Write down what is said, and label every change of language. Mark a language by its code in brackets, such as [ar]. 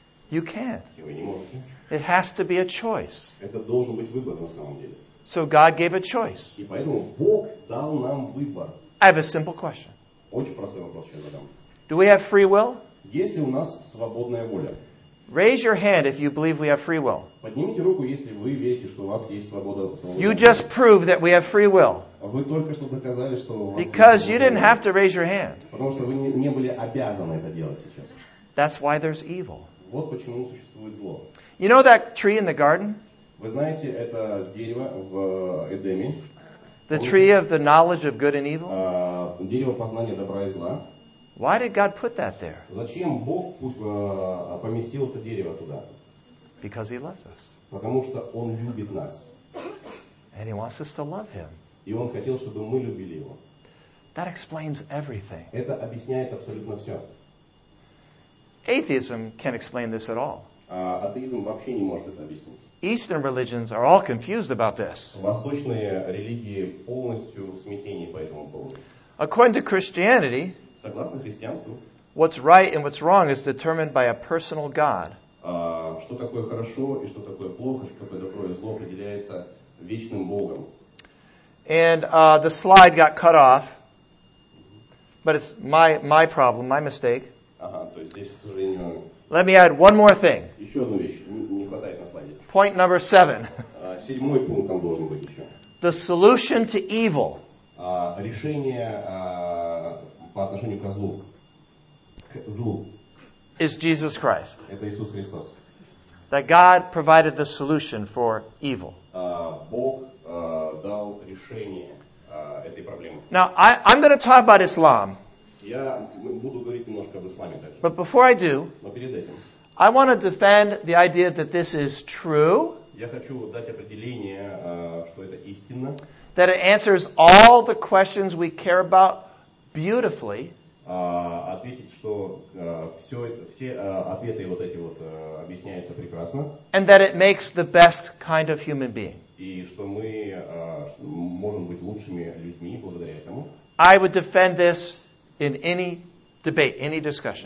[en] You can't. [ru] Вы не можете. [en] It has to be a choice. [ru] Это должен быть выбор на самом деле. [en] So God gave a choice. [ru] И поэтому Бог дал нам выбор. [en] I have a simple question. [ru] Очень простой вопрос сейчас задам. [en] Do we have free will? [ru] Есть ли у нас свободная воля? [en] Raise your hand if you believe we have free will. [ru] Поднимите руку, если вы верите, что у вас есть свобода. [en] You just proved that we have free will. [ru] Вы только что доказали, что у вас есть. [en] Because you didn't have to raise your hand. [ru] Потому что вы не были обязаны это делать сейчас. [en] That's why there's evil. [ru] Вот почему существует зло. [en] You know that tree in the garden? [ru] Вы знаете это дерево в Эдеме? [en] The tree of the knowledge of good and evil? [ru] Дерево познания добра и зла. [en] Why did God put that there? [ru] Зачем Бог поместил это дерево туда? [en] Because he loves us. [ru] Потому что он любит нас. [en] And he wants us to love him. [ru] И он хотел, чтобы мы любили его. [en] That explains everything. [ru] Это объясняет абсолютно все. [en] Atheism can't explain this at all. [ru] Атеизм вообще не может это объяснить. [en] Eastern religions are all confused about this. [ru] Восточные религии полностью в смятении по этому поводу. [en] According to Christianity, [ru] согласно христианству, [en] what's right and what's wrong is determined by a personal God. [ru] Что такое хорошо и что такое плохо, что такое добро и зло определяется вечным Богом. [en] And the slide got cut off, but it's my problem, my mistake. [ru] То есть здесь, к сожалению. [en] Let me add one more thing. [ru] Еще одну вещь. Не хватает на слайде. [en] Point number seven. [ru] Седьмой пункт там должен быть еще. [en] The solution to evil. [ru] Решение по отношению ко злу. К злу. [en] Is Jesus Christ. [ru] Это Иисус Христос. [en] That God provided the solution for evil. [ru] Бог дал решение этой проблемы. [en] Now, I'm going to talk about Islam. [ru] Я буду говорить немножко об исламе также. [en] But before I do, [ru] но перед этим, [en] I want to defend the idea that this is true. [ru] Я хочу дать определение, что это истинно. [en] That it answers all the questions we care about beautifully. [ru] Ответить, что ответы вот эти вот объясняются прекрасно. [en] And that it makes the best kind of human being. [ru] И что мы можем быть лучшими людьми благодаря этому. [en] I would defend this in any debate, any discussion.